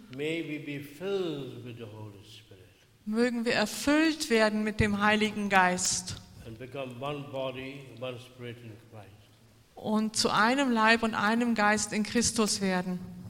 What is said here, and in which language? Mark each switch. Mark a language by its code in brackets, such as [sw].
[en] may we be filled with the Holy Spirit. [de] Mögen wir erfüllt werden mit dem Heiligen Geist [en] and become one body, one spirit in Christ. [de] Und zu einem Leib und einem Geist in Christus werden.